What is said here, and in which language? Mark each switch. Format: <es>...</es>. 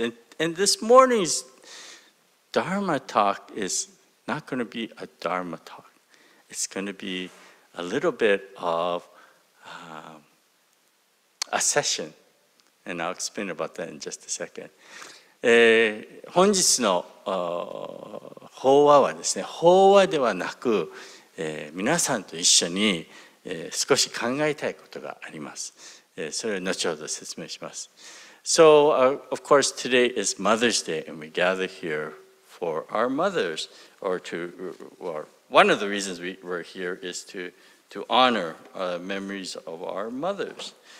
<en>And this morning's Dharma talk is not going to be a Dharma talk. It's going to be a little bit of a session. And I'll explain about that in just a second.</en> <ja>本日の法話はですね、法話ではなく、皆さんと一緒に、少し考えたいことがあります。それを後ほど説明します。</ja> <en>So, of course, today is Mother's Day, and we gather here for our mothers, or one of the reasons we're here is to honor memories of our mothers.</en>